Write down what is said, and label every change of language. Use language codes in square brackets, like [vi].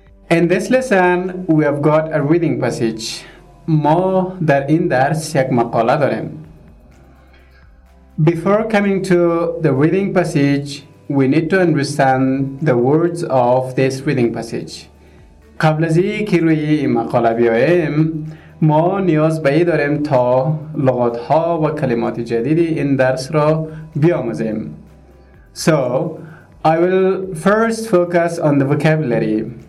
[en] In this lesson we have got a reading passage. [fa] Ma dar in dars yak maqala darem. [en] Before coming to the reading passage, we need to understand the words of this reading passage. [fa] قبل از اینکه روی این مقاله بیایم، ما نیاز به این داریم تا لغت‌ها و کلمات جدیدی این درس را بیاموزیم. [en] So, I will first focus on the vocabulary.